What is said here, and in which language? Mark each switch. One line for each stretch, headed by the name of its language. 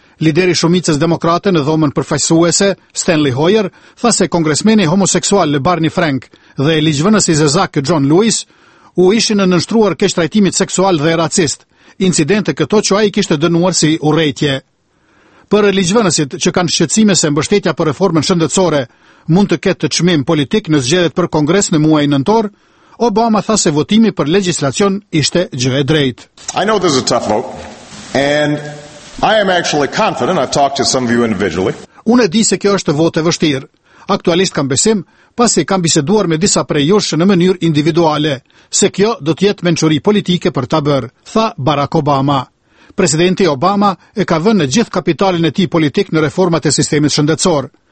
Albanian: Lideri i shumicës demokrate në dhomën përfaqësuese, Stanley Hoyer, tha se kongresmeni homoseksual Barney Frank dhe ligjvënësi zezak John Lewis u ishin nënshtruar keq trajtimit seksual dhe racist, incidente këto që ai kishte dënuar si urrëtie. Për ligjvënësit që kanë shqetësime se mbështetja për reformën shëndetësore mund të ketë çmim politik në zgjedhjet për kongres në muajin nëntor, Obama tha se votimi për legjislacion ishte gjë e drejtë.
English: I know this is a tough vote and I am actually confident I've talked to some of you individually.
Albanian: Unë di se kjo është votë e vështirë. Aktualisht kam besim pasi kam biseduar me disa prej jush në mënyrë individuale se kjo do të jetë mençuri politike për ta bërë, tha Barack Obama. Presidenti Obama e ka vënë gjithë kapitalin e tij politik në reformat e sistemit shëndetësor.